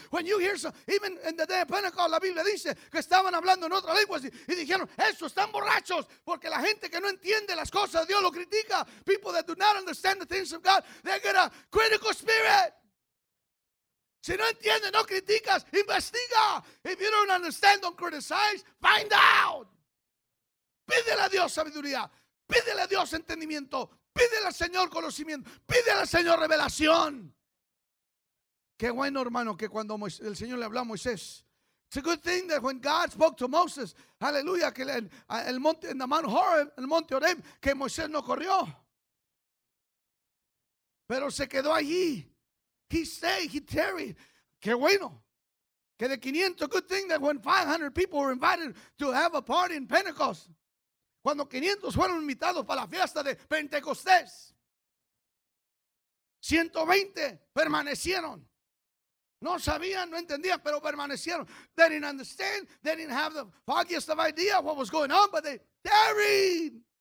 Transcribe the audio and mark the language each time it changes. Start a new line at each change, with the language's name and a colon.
English: When you hear, even in the day of Pentecost,
Spanish: la Biblia dice que estaban hablando en otra lengua y dijeron, eso, están borrachos, porque la gente que no entiende las cosas de Dios lo critica.
English: People that do not understand the things of God, they get a critical spirit.
Spanish: Si no entiendes, no criticas, investiga.
English: If you don't understand, don't criticize, find out.
Spanish: Pídele a Dios sabiduría, pídele a Dios entendimiento, pídele al Señor conocimiento, pídele al Señor revelación. Qué bueno, hermano, que cuando el Señor le habló a Moisés.
English: It's a good thing that when God spoke to Moses, aleluya,
Spanish: que el monte, en the Mount Horeb, el monte Horeb, que Moisés no corrió. Pero se quedó allí.
English: He stayed, he tarried.
Spanish: Que bueno. Que de 500,
English: good thing that when 500 people were invited to have a party in Pentecost,
Spanish: cuando 500 fueron invitados para la fiesta de Pentecostés, 120 permanecieron. No sabían, no entendían, pero permanecieron.
English: They didn't understand, they didn't have the foggiest of idea what was going on, but they tarried.